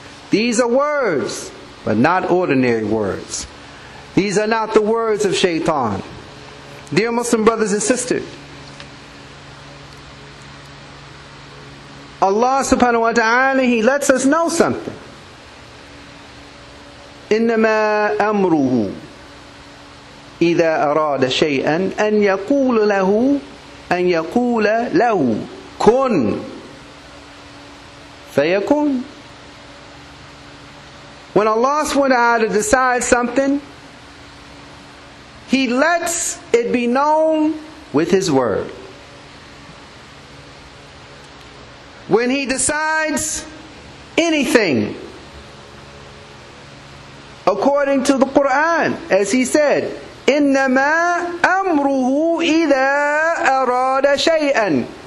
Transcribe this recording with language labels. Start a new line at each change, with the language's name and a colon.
English: These are words, but not ordinary words. These are not the words of shaitan. Dear Muslim brothers and sisters, Allah subhanahu wa ta'ala, He lets us know something.
Arabic: إِنَّمَا أَمْرُهُ إِذَا أَرَادَ شَيْئًا أَنْ يَقُولَ لَهُ أَنْ يَقُولَ لَهُ كُنْ فَيَكُنْ.
English: When Allah subhanahu wa ta'ala decides something, He lets it be known with His word. When He decides anything, according to the Quran, as He said,
Arabic: إِنَّمَا أَمْرُهُ إِذَا أَرَادَ شَيْئًا.